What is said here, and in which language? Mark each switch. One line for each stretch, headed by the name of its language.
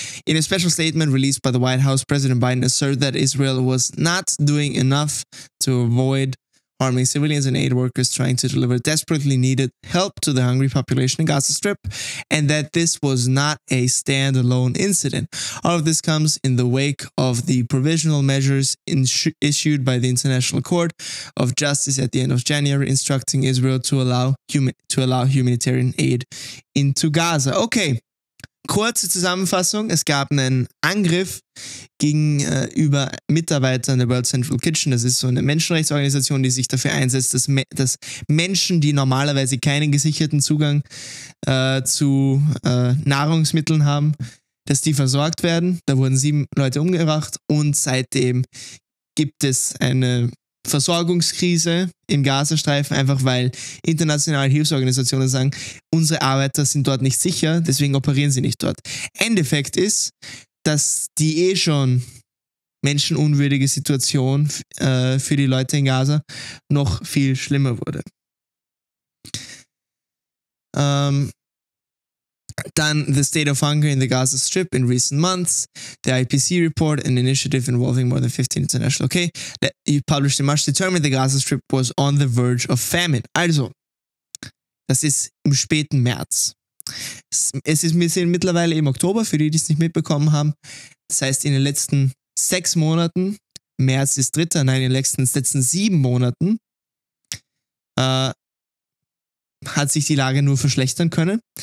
English: In a special statement released by the White House, President Biden asserted that Israel was not doing enough to avoid harming civilians and aid workers trying to deliver desperately needed help to the hungry population in Gaza Strip, and that this was not a standalone incident. All of this comes in the wake of the provisional measures issued by the International Court of Justice at the end of January, instructing Israel to allow humanitarian aid into Gaza.
German: Okay, kurze Zusammenfassung. Es gab einen Angriff gegenüber Mitarbeitern der World Central Kitchen. Das ist so eine Menschenrechtsorganisation, die sich dafür einsetzt, dass Menschen, die normalerweise keinen gesicherten Zugang zu Nahrungsmitteln haben, dass die versorgt werden. Da wurden 7 Leute umgebracht und seitdem gibt es eine Versorgungskrise im Gazastreifen, einfach weil internationale Hilfsorganisationen sagen, unsere Arbeiter sind dort nicht sicher, deswegen operieren sie nicht dort. Endeffekt ist, dass die eh schon menschenunwürdige Situation für die Leute in Gaza noch viel schlimmer wurde.
English: Dann the state of hunger in the Gaza Strip in recent months, the IPC report, an initiative involving more than 15 international, okay, that you published in March, determined the Gaza Strip was on the verge of famine.
German: Also, das ist im späten März. Wir sind mittlerweile im Oktober, für die es nicht mitbekommen haben. Das heißt, in den letzten 6 Monaten, März ist dritter, nein, in den letzten 7 Monaten, hat sich die Lage nur verschlechtern können.